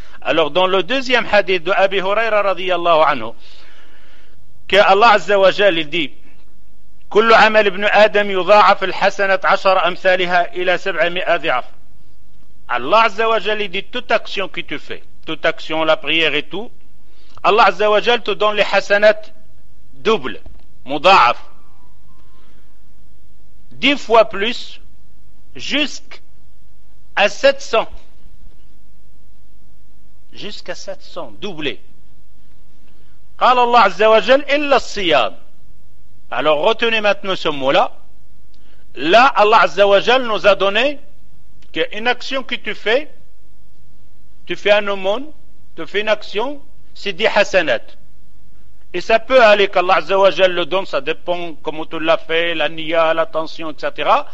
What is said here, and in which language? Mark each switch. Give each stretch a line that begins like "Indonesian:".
French: Alors, dans le deuxième hadith de Abi Huraira radiyallahu anhu, que Allah Azza wa Jal, il dit, «
Arabic: كل عمل ابن آدم يضاعف الحسنة عشر أمثالها إلى سبعمائة ضعف.
French: » Allah Azza wa Jal, il dit, toute action que tu fais, toute action, la prière et tout, Allah Azza wa Jal te donne les hasanat double, mudaaf, 10 fois plus, jusqu'à 700. Jusqu'à 700, doublé.
Arabic: قال الله عز وجل إلا الصيام.
French: Alors retenez maintenant ce mot-là. Là, Allah Azza wa Jal nous a donné qu'une action que tu fais un aumône, tu fais une action, c'est 10 hasanat. Et ça peut aller qu'Allah Azza wa Jal le donne, ça dépend comment tu l'as fait, la niya, l'attention, etc.